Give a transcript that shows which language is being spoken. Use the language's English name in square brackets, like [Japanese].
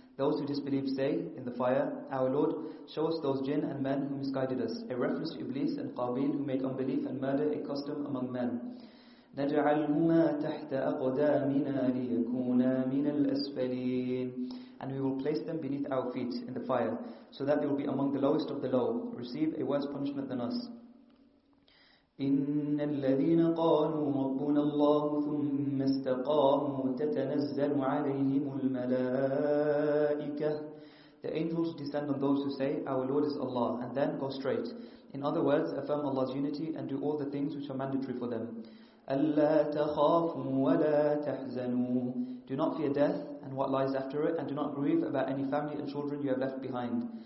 [English] Those who disbelieve say, in the fire, Our Lord, show us those jinn and men who misguided us, a reference to Iblis and Qabil who made unbelief and murder a custom among men. [Arabic] نَجْعَلْهُمَا تَحْتَ أَقْدَامِنَا لِيَكُونَا مِنَ الْأَسْفَلِينَ [English] And we will place them beneath our feet in the fire, so that they will be among the lowest of the low, receive a worse punishment than us. [Arabic] إن الذين قالوا ربنا الله ثم استقاموا تتنزل عليهم الملائكة [English] The angels descend on those who say, Our Lord is Allah, and then go straight. In other words, affirm Allah's unity and do all the things which are mandatory for them. [Arabic] ألا تخافوا ولا تحزنوا [English] Do not fear death and what lies after it, and do not grieve about any family and children you have left behind.